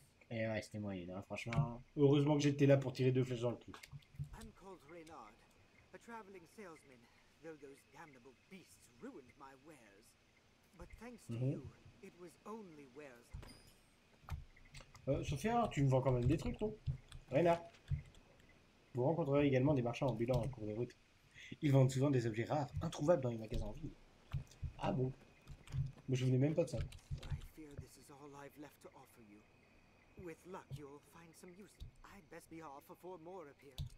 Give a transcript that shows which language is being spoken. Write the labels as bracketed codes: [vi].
[fr] Et ouais, c'était moyen, hein, franchement. Heureusement que j'étais là pour tirer deux flèches dans le cul. [en] I'm called Reynard, a traveling salesman. Though those damnable beasts ruined my wares, but thanks to you, it was only wares. [fr] Sophia, tu me vends quand même des trucs, non? Reynard. Vous rencontrerez également des marchands ambulants en cours de route. Ils vendent souvent des objets rares, introuvables dans les magasins en ville. Ah bon? Mais je venais même pas de ça. [en] I fear this is all I've left to offer you. With luck, you'll find some use. I'd best be off before more appear.